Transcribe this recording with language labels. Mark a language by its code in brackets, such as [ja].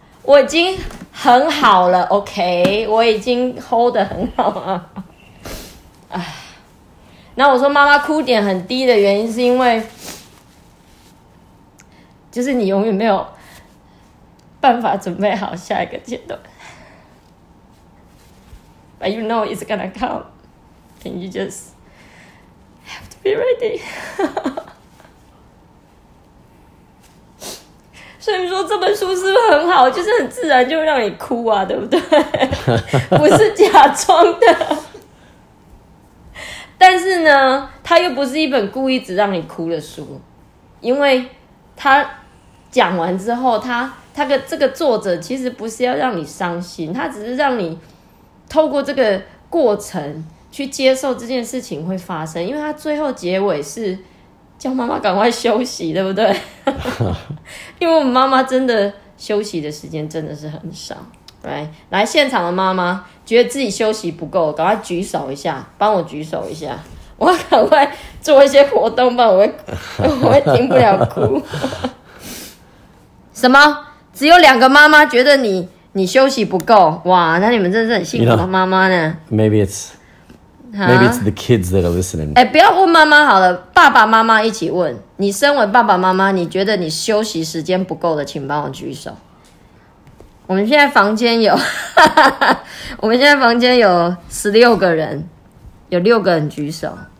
[zh] 我已经很好了 ，OK， 我已经 hold 得很好了。那我说妈妈哭点很低的原因是因为，就是你永远没有办法准备好下一个阶段。 [en] But you know it's gonna come. And you just have to be ready. [zh] 所以说这本书是不是很好，就是很自然就让你哭啊，对不对？不是假装的。但是呢，它又不是一本故意只让你哭的书，因为它讲完之后，他的这个作者其实不是要让你伤心，他只是让你透过这个过程去接受这件事情会发生，因为他最后结尾是叫妈妈赶快休息，对不对？因为我们妈妈真的休息的时间真的是很少。 [en] Right? [zh] 来，现场的妈妈觉得自己休息不够，赶快举手一下，帮我举手一下，我要赶快做一些活动，不然我会停不了哭。什么？只有两个妈妈觉得你休息不够？哇，那你们真的是很幸福的妈妈呢。 [en] You know, maybe it's the kids that are listening. [zh] 欸，不要问妈妈好了，爸爸妈妈一起问。你身为爸爸妈妈，你觉得你休息时间不够的，请帮我举手。我们现在房间有，我们现在房间有16个人，有6个人举手。